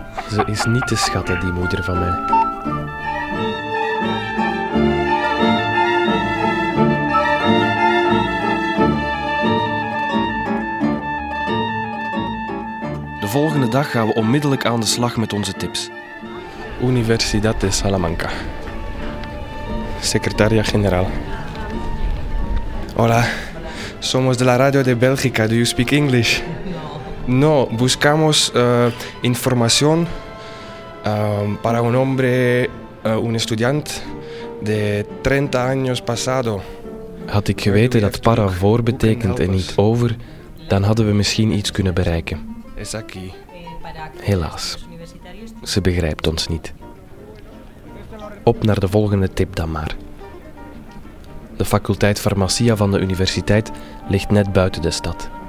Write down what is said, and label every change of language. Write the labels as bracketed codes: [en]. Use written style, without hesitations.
[nl] Ze is niet te schatten, die moeder van mij. De volgende dag gaan we onmiddellijk aan de slag met onze tips. [es] Universidad de Salamanca. [nl] Secretaria-generaal. [es] Hola. Somos de la radio de Bélgica. [en] Do you speak English? [es] No. No, buscamos información para un hombre, un estudiante de 30 años pasado. [nl] Had ik geweten dat para voor betekent en niet over, dan hadden we misschien iets kunnen bereiken. Helaas, ze begrijpt ons niet. Op naar de volgende tip dan maar. De faculteit Farmacia van de universiteit ligt net buiten de stad.